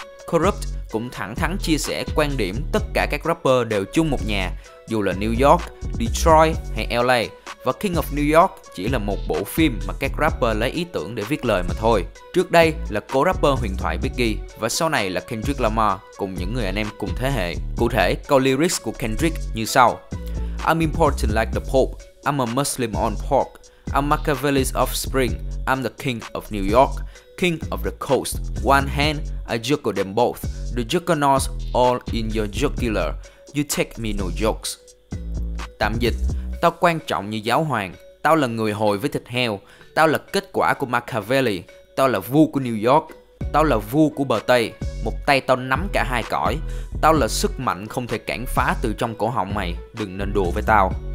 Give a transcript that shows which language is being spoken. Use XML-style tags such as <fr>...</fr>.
<vi>Corrupt cũng thẳng thắn chia sẻ quan điểm tất cả các rapper đều chung một nhà, dù là New York, Detroit hay LA, và King of New York chỉ là một bộ phim mà các rapper lấy ý tưởng để viết lời mà thôi. Trước đây là cố rapper huyền thoại Biggie, và sau này là Kendrick Lamar cùng những người anh em cùng thế hệ. Cụ thể, câu lyrics của Kendrick như sau.</vi> <en>I'm important like the Pope, I'm a Muslim on pork, I'm Machiavelli's offspring, I'm the King of New York, King of the Coast, one hand, I juggle them both. The juggernauts all in your jugular. You take me no jokes.</en> <vi>Tạm dịch, tao quan trọng như giáo hoàng. Tao là người hồi với thịt heo. Tao là kết quả của Machiavelli. Tao là vua của New York. Tao là vua của bờ Tây. Một tay tao nắm cả hai cõi. Tao là sức mạnh không thể cản phá từ trong cổ họng mày. Đừng nên đùa với tao.</vi>